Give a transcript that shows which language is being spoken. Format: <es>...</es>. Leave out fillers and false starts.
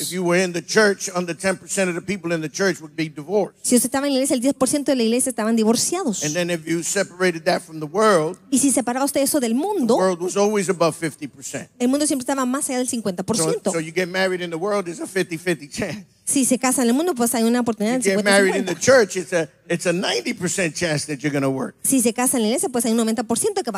<en>If you were in the church, under 10% of the people in the church would be divorced.</en> <es>Si usted estaba en la iglesia, el 10% de la iglesia estaban divorciados.</es> <en>And then if you separated that from the world.</en> <es>Y si separaba usted eso del mundo.</es> <en>The world was always above 50%.</en> <es>El mundo siempre estaba más allá del 50%.</es> <en>So you get married in the world, there's a 50-50 chance.</en> <es>Si se casa en el mundo, pues hay una oportunidad de 50-50.</es> <en>Married in the church, it's a 90% chance that you're going to work.</en> <es>Si se casa en la iglesia, pues hay un 90% que va</es>